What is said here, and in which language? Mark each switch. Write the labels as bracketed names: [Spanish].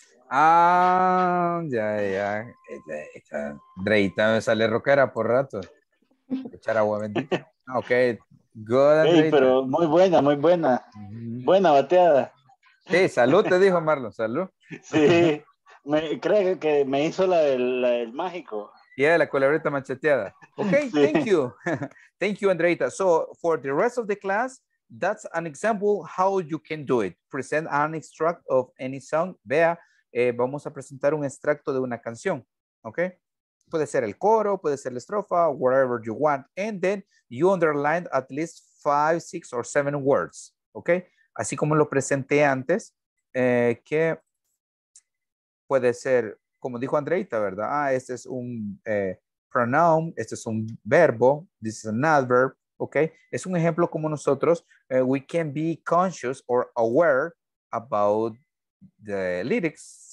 [Spanish] Ya. Dreita me sale rockera por rato. Echar agua bendita. Ok. [English] Good. Hey, [Spanish] pero muy buena. Mm-hmm. Buena bateada. Sí, salud, te dijo Marlon. Salud. Sí. Me creo que me hizo la del mágico. [English] Yeah, [Spanish] la culebrita macheteada. [English] Okay, sí. Thank you. Thank you, Andreita. So for the rest of the class, that's an example how you can do it. Present an extract of any song. [Spanish] Vea, vamos a presentar un extracto de una canción. Okay. Puede ser el coro, puede ser la estrofa, [English] whatever you want. And then you underline at least 5, 6, or 7 words. Okay. [Spanish] Así como lo presenté antes, que puede ser, como dijo Andreita, ¿verdad? Ah, este es un pronoun, este es un verbo, [English] this is an adverb, [Spanish] ¿ok? Es un ejemplo como nosotros, [English] we can be conscious or aware about the lyrics.